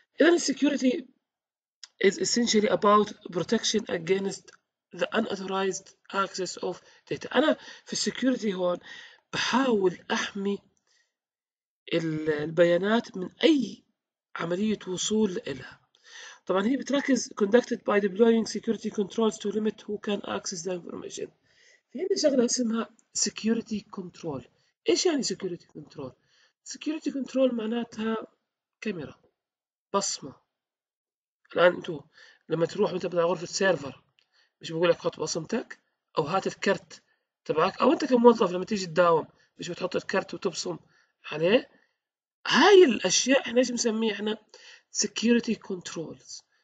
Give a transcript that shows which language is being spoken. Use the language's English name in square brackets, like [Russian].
[English] اذا السكيورتي is essentially about protection against the unauthorized access of data. [Arabic] انا في السكيورتي هون بحاول احمي البيانات من اي عمليه وصول لها. [English] طبعا هي بتركز conducted by deploying security controls to limit who can access the information. [Arabic] في عندنا شغلة اسمها security control. ايش يعني security control؟ security control معناتها كاميرا، بصمة. الان انتو لما تروح انت بدأ غرفة سيرفر، مش بقول لك حط بصمتك او هات الكرت تبعك، او انت كموظف لما تيجي تداوم مش بتحط الكرت وتبصم عليه؟ هاي الاشياء احنا ايش بنسميها احنا؟ security controls.